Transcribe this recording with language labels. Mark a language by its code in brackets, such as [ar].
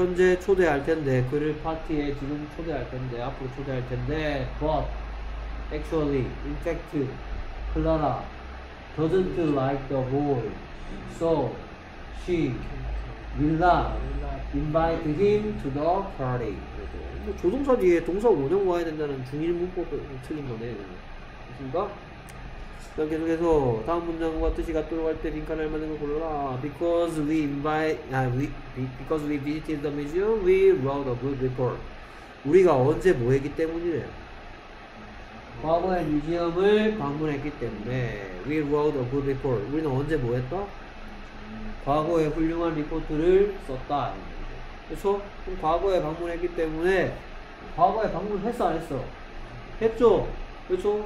[ko] 현재 초대할 텐데 그를 파티에 지금 초대할 텐데 [en] 앞으로 초대할 텐데 but actually in fact Clara doesn't like the boy so she will not invite him to the party. [ko] 조동사 뒤에 동사 원형 와야 된다는 중일 문법이 틀린 거네. 그렇습니까? 그럼 계속해서 다음 문장과 뜻이 같도록 할 때 빈칸을 만든 걸 골라라. [en] Because we invite, because we visited the museum, we wrote a good report. [ko] 우리가 언제 뭐 했기 때문이래. 과거에 뮤지엄을 방문했기 때문에 [en] we wrote a good report. [ko] 우리는 언제 뭐 했다? 과거에 훌륭한 리포트를 썼다. 그래서 과거에 방문했기 때문에 과거에 방문했어 안 했어? 했죠. 그렇죠.